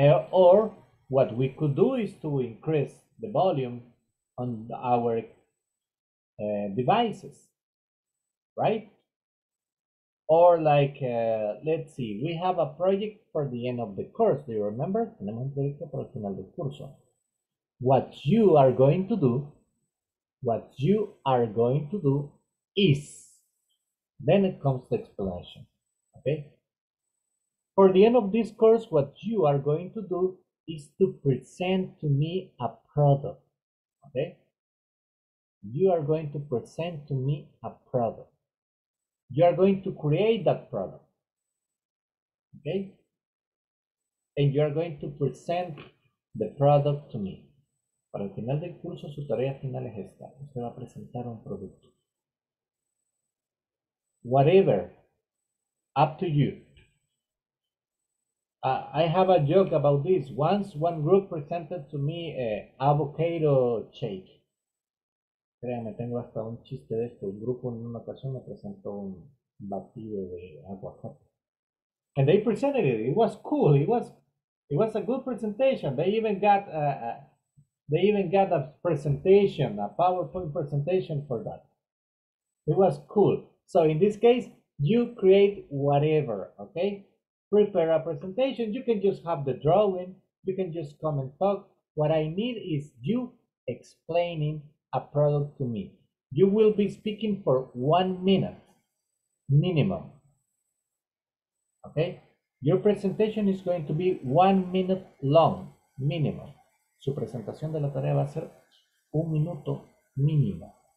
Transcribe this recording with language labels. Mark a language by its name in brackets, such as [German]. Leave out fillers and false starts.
[English] Or what we could do is to increase the volume on our devices, right? Or like, let's see, we have a project for the end of the course. Do you remember? [Spanish] Tenemos un proyecto para el final del curso. [English] What you are going to do, what you are going to do is, then it comes to explanation, okay? For the end of this course, what you are going to do is to present to me a product, okay? You are going to present to me a product. You are going to create that product, okay? And you are going to present the product to me. [Spanish] Para el final del curso, su tarea final es esta. Usted va a presentar un producto. [English] Whatever, up to you. I have a joke about this. Once one group presented to me an avocado shake. [Spanish] Créame, tengo hasta un chiste de esto. Un grupo en una ocasión me presentó un batido de aguacate. [English] And they presented it. It was cool. It was a good presentation. They even got a presentation, a PowerPoint presentation for that. It was cool. So in this case, you create whatever, okay? Prepare a presentation. You can just have the drawing. You can just come and talk. What I need is you explaining a product to me. You will be speaking for 1 minute minimum. Okay? Your presentation is going to be 1 minute long minimum. [Spanish] Su presentación de la tarea va a ser 1 minuto mínimo.